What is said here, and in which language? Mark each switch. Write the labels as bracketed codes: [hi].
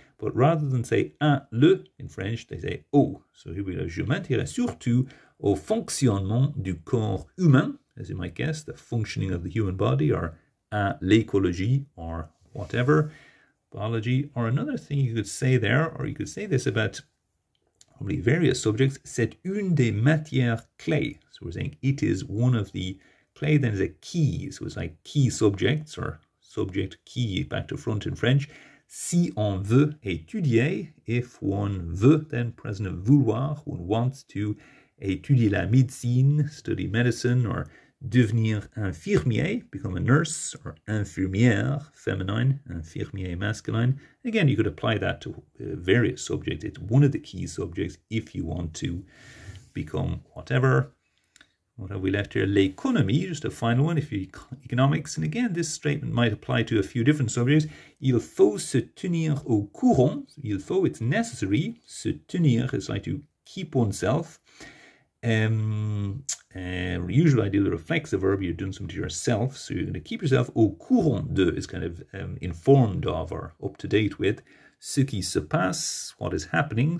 [en] But rather than say à le in French, they say au. So here we go. [fr] Je m'intéresse surtout au fonctionnement du corps humain, [en] as you might guess, the functioning of the human body, or [fr] à l'écologie, [en] or whatever, biology. Or another thing you could say there, or you could say this about probably various subjects, [fr] c'est une des matières clés. [en] So we're saying it is one of the clés, then is a key. So it's like key subjects, or subject key, back to front in French. [fr] Si on veut étudier, [en] if one veut, then present of vouloir, one wants to [fr] étudier la médecine, [en] study medicine, or [fr] devenir infirmier, [en] become a nurse, or infirmière, feminine, infirmier, masculine. Again, you could apply that to various subjects. It's one of the key subjects if you want to become whatever. What have we left here? L'économie, just a final one, if you economics. And again, this statement might apply to a few different subjects. [fr] Il faut se tenir au courant. Il faut, [en] it's necessary. [fr] Se tenir [en] is like to keep oneself. Usually I do the reflexive verb, you're doing something to yourself, so you're going to keep yourself [fr] au courant de, [en] is kind of informed of or up to date with, [fr] ce qui se passe, [en] what is happening.